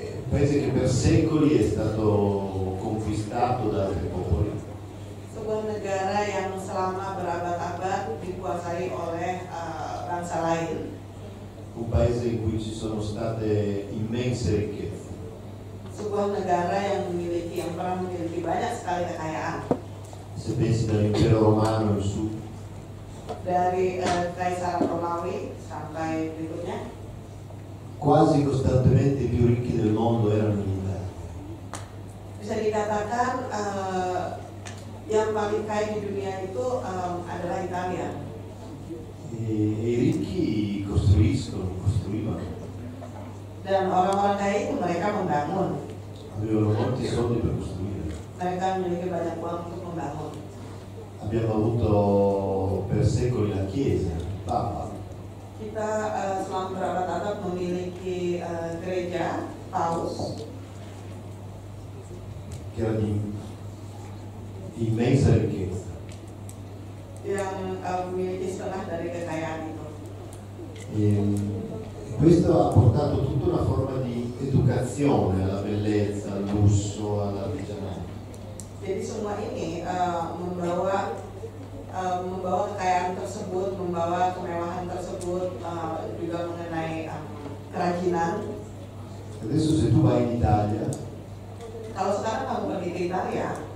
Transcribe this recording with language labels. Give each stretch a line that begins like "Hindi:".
Italian: Paese che per secoli è stato conquistato da altri popoli.
Indonesian: So, sebuah negara yang selama berabad-abad dikuasai oleh bangsa lain.
Italian: Un paese in cui ci sono state immense ricchezze.
Indonesian: Sebuah negara yang memiliki yang pernah memiliki banyak sekali kekayaan.
Italian: Se pensi dall'impero romano in su.
Indonesian: Dari Kaisar Romawi sampai berikutnya.
Italian: Quasi costantemente i più ricchi del mondo erano gli inglesi.
Indonesian: Bisa dikatakan yang paling kaya di dunia itu adalah Italia.
Italian: E i ricchi costruiscono, costruivano.
Indonesian: Dan orang-orang kaya itu mereka membangun.
Italian: Avevano molti soldi per costruire.
Indonesian: Mereka memiliki banyak uang untuk membangun.
Italian: Abbiamo avuto per secoli la Chiesa, il Papa.
Indonesian: Kita selama berabad-abad memiliki gereja, Paus.
Italian: Che era di immensa ricchezza.
Indonesian: Yang memiliki setengah dari kekayaan itu.
Italian: E questo ha portato tutta una forma di educazione alla bellezza, al lusso, all'artigianato.
Indonesian: Jadi semua ini membawa membawa kekayaan tersebut, membawa kemewahan tersebut juga mengenai kerajinan.
Italian: Adesso se tu vai in Italia.
Indonesian: Kalau sekarang kamu pergi ke Italia.